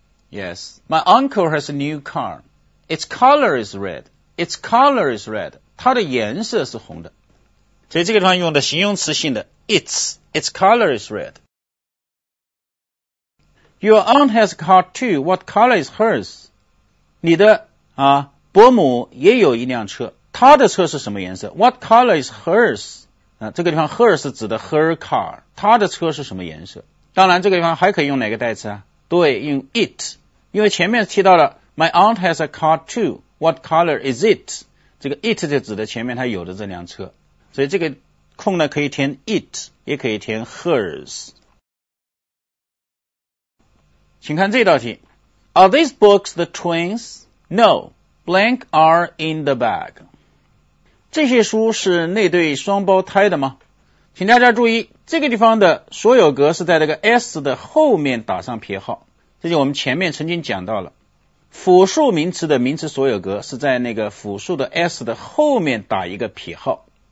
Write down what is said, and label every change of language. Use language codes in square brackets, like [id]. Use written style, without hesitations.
[en] Yes, my uncle has a new car. Its color is red. Its color is red. [zh] 它的颜色是红的。所以这个地方用的形容词性的 [en] its color is red. Your aunt has a car too. What color is hers? [zh] 你的啊伯母也有一辆车，她的车是什么颜色？ [en] What color is hers? [zh] 啊，这个地方 hers 指的 [en] her car， [zh] 她的车是什么颜色？当然，这个地方还可以用哪个代词啊？对，用 it， 因为前面提到了 [en] My aunt has a car too. What color is it? [zh] 这个 it 就指的前面她有的这辆车，所以这个空呢可以填 it， 也可以填 hers。请看这道题。 [en] Are these books the twins? No, blank are in the bag. [zh] 这些书是那对双胞胎的吗？请大家注意，这个地方的所有格是在这个 S 的后面打上撇号。这就我们前面曾经讲到了。复数名词的名词所有格是在那个复数的 s 的后面打一个撇号。